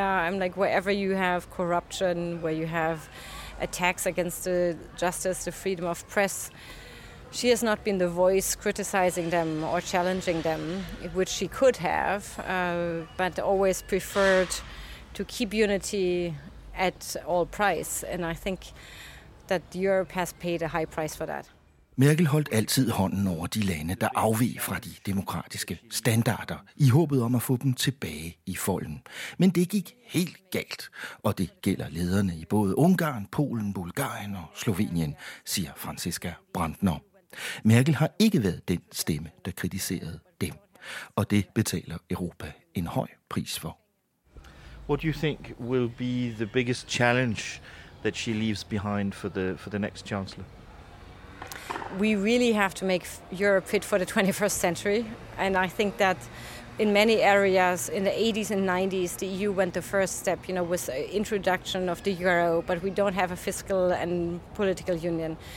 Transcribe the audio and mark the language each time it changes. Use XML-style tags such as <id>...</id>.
<en>I'm like, wherever you have corruption, where you have attacks against the justice, the freedom of press, she has not been the voice criticizing them or challenging them, which she could have, but always preferred to keep unity at all price. And I think that Europe has paid a high price for that.</en> <da>Merkel holdt altid hånden over de lande, der afveg fra de demokratiske standarder, i håbet om at få dem tilbage i folden. Men det gik helt galt, og det gælder lederne i både Ungarn, Polen, Bulgarien og Slovenien, siger Franziska Brandner. Merkel har ikke været den stemme, der kritiserede dem, og det betaler Europa en høj pris for.</da> <en>What do you think will be the biggest challenge that she leaves behind for the next chancellor? We really have to make Europe fit for the 21st century. And I think that in many areas, in the 80s and 90s, the EU went the first step, you know, with the introduction of the euro, but we don't have a fiscal and political union.</en>